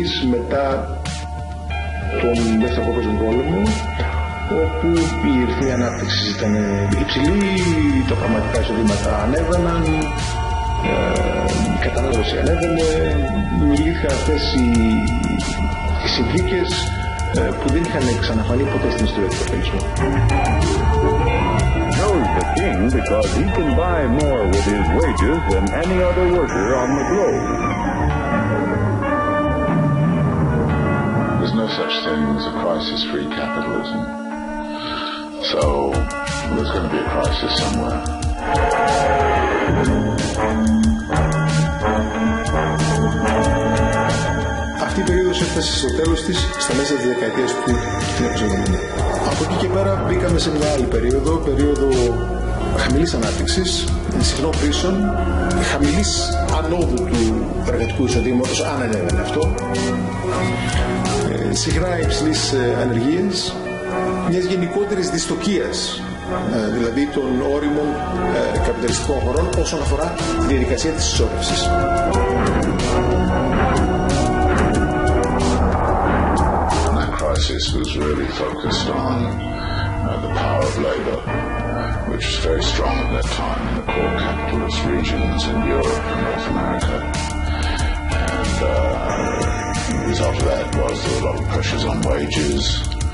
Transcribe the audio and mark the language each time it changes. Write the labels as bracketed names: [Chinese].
[Greek] Μετά τον Δεύτερο Παγκόσμιο Πόλεμο, όπου η ρυθμή ανάπτυξη ήταν υψηλή, τα πραγματικά εισοδήματα ανέβαιναν, η κατανάλωση ανέβαινε, δημιουργήθηκαν αυτές οι συνθήκες που δεν είχαν ξαναφανεί ποτέ στην ιστορία του καπιταλισμού. [English] The king, because he can buy more with his wages than any other worker on the globe. There's no such thing as a crisis-free capitalism. So, there's going to be a crisis somewhere. [Greek] Αυτή η περίοδος έφτασε στο τέλος της, στα μέσα της δεκαετίας που την έπαιζε. Από εκεί και πέρα μπήκαμε σε μια άλλη περίοδο, περίοδο χαμηλής ανάπτυξης, συχνών κρίσεων, χαμηλής ανόδου του εργατικού εισοδήματος, αν ανέβαινε αυτό. Συχνά υψηλής ανεργίας, μιας γενικότερης δυστοκίας, δηλαδή των όριμων καπιταλιστικών χωρών όσον αφορά τη διαδικασία της ισόρροψης. [English] That crisis was really focused on the power of labor, which was very strong at that time in the core capitalist regions in Europe and North America. And, the result of that was there were a lot of pressures on wages.